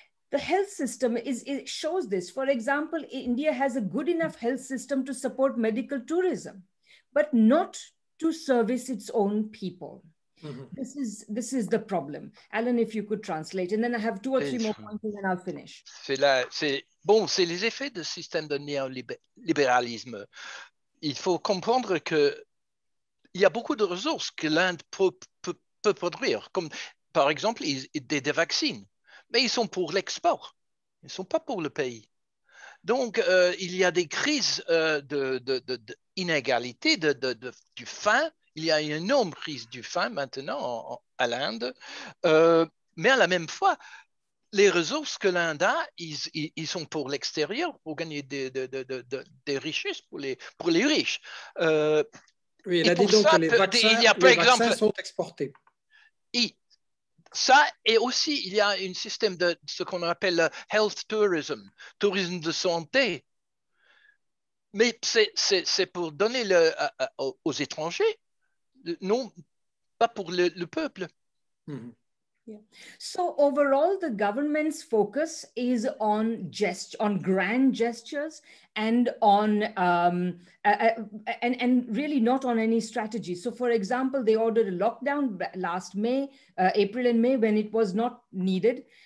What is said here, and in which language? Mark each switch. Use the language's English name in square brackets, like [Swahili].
[English] The health system it shows this. For example, India has a good enough health system to support medical tourism, but not to service its own people. Mm-hmm. This is the problem. Alan, if you could translate. And then I have two or three more points and then I'll finish. [French] C'est les effets du système de néolibéralisme. Il faut comprendre qu'il y a beaucoup de ressources que l'Inde peut produire, comme par exemple des vaccins, mais ils sont pour l'export, ils ne sont pas pour le pays. Donc, il y a des crises d'inégalité, du faim, il y a une énorme crise du faim maintenant à l'Inde, mais à la même fois, les ressources que l'Inde a, ils sont pour l'extérieur, pour gagner des richesses pour les riches. Les vaccins sont exportés. Ça, et aussi, il y a un système de ce qu'on appelle le health tourism, tourisme de santé. Mais c'est pour donner aux étrangers, non, pas pour le peuple. [English] Mm-hmm. Yeah. So overall, the government's focus is on grand gestures and on and really not on any strategy. So for example, they ordered a lockdown last May, April and May, when it was not needed.